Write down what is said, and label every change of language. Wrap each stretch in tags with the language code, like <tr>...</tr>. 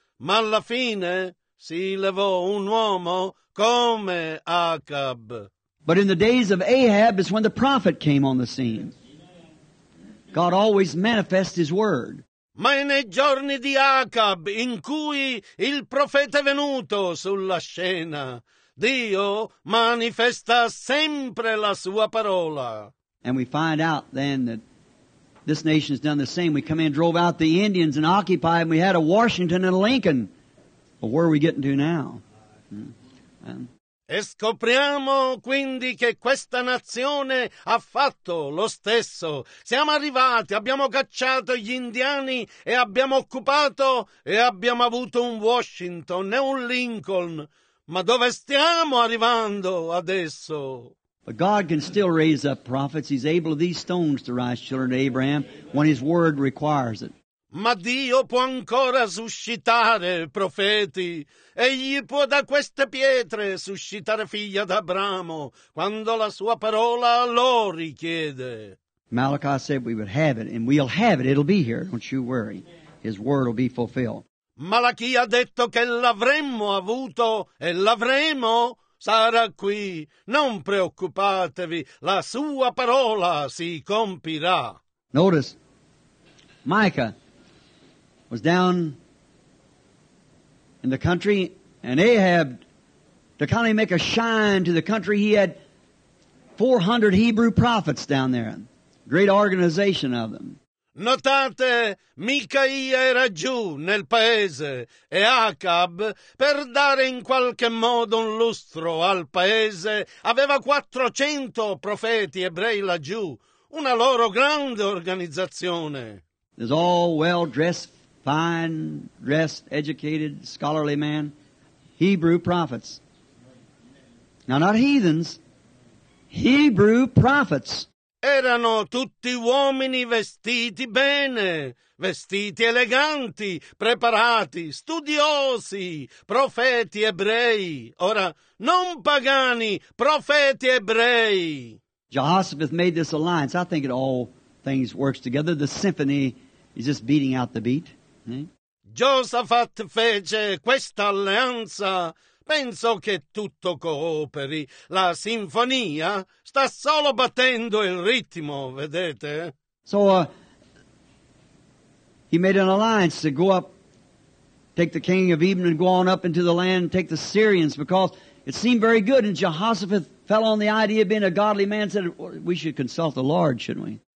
<it>Ma alla fine si levò un uomo come Acab.</it> <en>But in the days of Ahab is when the prophet came on the scene. God always manifests his word.</en> <it>Ma è nei giorni di Acab in cui il profeta è venuto sulla scena. Dio manifesta sempre la sua parola.</it> <en>And we find out then that this nation has done the same. We come in, drove out the Indians and occupied, and we had a Washington and a Lincoln. But where are we getting to now?</en> <it>E scopriamo quindi che questa nazione ha fatto lo stesso. Siamo arrivati, abbiamo cacciato gli indiani e abbiamo occupato e abbiamo avuto un Washington e un Lincoln. Ma dove stiamo arrivando adesso?</it> <en>But God can still raise up prophets. He's able of these stones to rise children of Abraham when his word requires it.</en> <it>Ma Dio può ancora suscitare profeti. Egli può da queste pietre suscitare figlia d'Abramo quando la sua parola lo richiede.</it> <en>Malachi said we would have it, and we'll have it. It'll be here. Don't you worry. His word will be fulfilled.</en> <it>Malachi ha detto che l'avremmo avuto e l'avremo. Sarà qui. Non preoccupatevi. La sua parola si compirà.</it> <en>Notice, Micah was down in the country, and Ahab, to kind of make a shine to the country, he had 400 Hebrew prophets down there. Great organization of them.</en> <it>Notate, Micaia era giù nel paese, e Acab, per dare in qualche modo un lustro al paese, aveva 400 profeti ebrei laggiù. Una loro grande organizzazione.</it> <en>It's all well dressed. Fine, dressed, educated, scholarly man, Hebrew prophets. Now, not heathens, Hebrew prophets.</en> <it>Erano tutti uomini vestiti bene, vestiti eleganti, preparati, studiosi, profeti ebrei. Ora, non pagani, profeti ebrei.</it> <en>Jehoshaphat made this alliance. I think it all things works together. The symphony is just beating out the beat.</en> <it>Josaphat fece questa alleanza. Penso che tutto cooperi. La sinfonia sta solo battendo il ritmo, vedete?</it> <en>So, he made an alliance to go up, take the king of Edom and go on up into the land and take the Syrians because it seemed very good. And Jehoshaphat fell on the idea of being a godly man and said, we should consult the Lord, shouldn't we?</en>